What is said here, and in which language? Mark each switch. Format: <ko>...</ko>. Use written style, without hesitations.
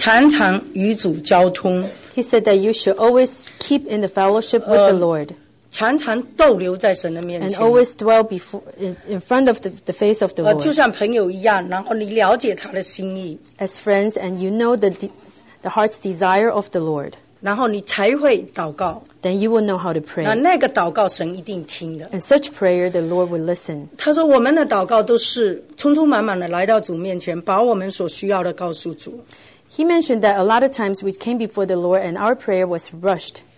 <zh>他说，就说当你祷告的时候，你要常常，就说常常与主交通。</zh> <en>He said that you should always keep in the fellowship with the Lord.</en> <zh>常常逗留在神的面前。</zh> <en>And always dwell before in front of the face of the Lord.</en> <zh>就像朋友一样，然后你了解他的心意。</zh> <en>As friends, and you know the heart's desire of the Lord.</en> <zh>然后你才会祷告。</zh> <en>Then you will know how to pray.</en> <zh>那个祷告神一定听的。</zh> <en>And such prayer the Lord will listen.</en> <zh>他说我们的祷告都是匆匆忙忙的来到主面前，把我们所需要的告诉主。</zh> <en>He mentioned that a lot of times we came before the Lord and our prayer was rushed.</en>